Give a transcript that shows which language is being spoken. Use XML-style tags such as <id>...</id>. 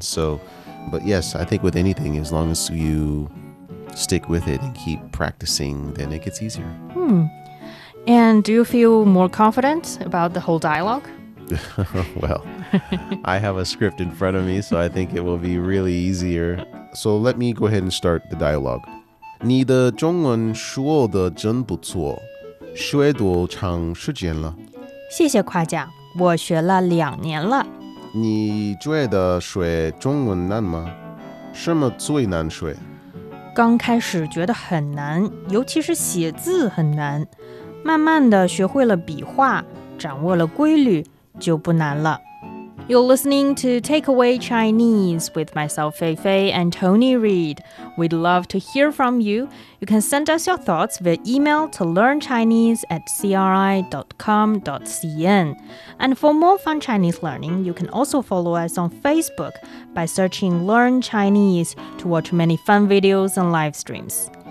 <en>So, but yes, I think with anything, as long as you stick with it and keep practicing, then it gets easier. Hmm. And do you feel more confident about the whole dialogue? Well, I have a script in front of me, so I think it will be really easier. So let me go ahead and start the dialogue.</en> <zh>你的中文说的真不错，学多长时间了？谢谢夸奖，我学了两年了。你觉得学中文难吗？什么最难学？刚开始觉得很难，尤其是写字很难。慢慢的学会了笔画，掌握了规律，就不难了。</zh> <en>You're listening to Takeaway Chinese with myself, Feifei, and Tony Reid. We'd love to hear from you. You can send us your thoughts via email to learnchinese@cri.com.cn. And for more fun Chinese learning, you can also follow us on Facebook by searching Learn Chinese to watch many fun videos and live streams.</en>